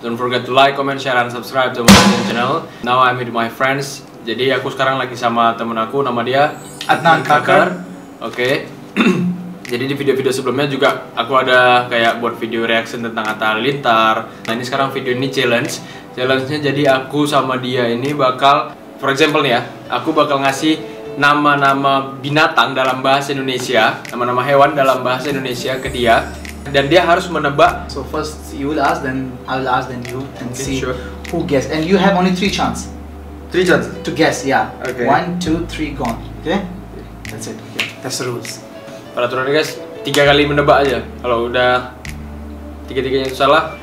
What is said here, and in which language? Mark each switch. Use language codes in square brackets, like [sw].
[en] Don't forget to like, comment, share, and subscribe to Mahazen Channel. Now I'm with my friends. [id] Jadi aku sekarang lagi sama temen aku, nama dia Adnan Kakar. Oke. Jadi di video-video sebelumnya juga aku ada kayak buat video reaction tentang Atta Halilintar. Nah ini sekarang video ini challenge. Challenge-nya jadi aku sama dia ini bakal, [en] for example [id] nih ya, aku bakal ngasih nama-nama binatang dalam bahasa Indonesia, nama-nama hewan dalam bahasa Indonesia ke dia, dan dia harus menebak. [en] So first you will ask, then I'll ask, then you and okay, see sure. Who guess. And you have only three chance. Three chance to guess, yeah. Okay. One, two, three, gone. Okay. That's it. Okay. That's the rules. [id] Peraturannya guys, tiga kali menebak aja. Kalau udah tiga-tiganya salah.